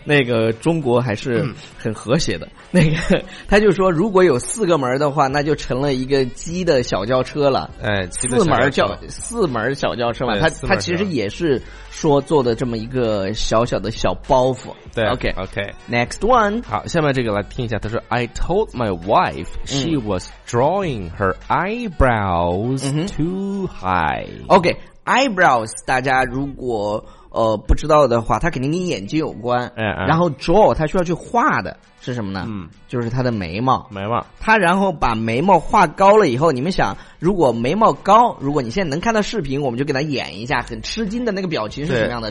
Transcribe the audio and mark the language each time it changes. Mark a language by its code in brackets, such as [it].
[zh] 那个中国还是很和谐的。嗯、那个他就说，如果有四个门的话，那就成了一个鸡的小轿车了。哎，四门小轿车嘛，他其实也是说做的这么一个小小的小包袱。对 [en] ，OK OK，Next one。 [zh] 好，下面这个来听一下。他说 ， [en] I told my wife she was drawing her eyebrows too high。 [zh] OK， eyebrows， 大家如果不知道的话，它肯定跟眼睛有关。嗯、然后 draw 它需要去画的是什么呢？嗯，就是它的眉毛。眉毛。它然后把眉毛画高了以后，你们想，如果眉毛高，如果你现在能看到视频，我们就给它演一下，很吃惊的那个表情是什么样的？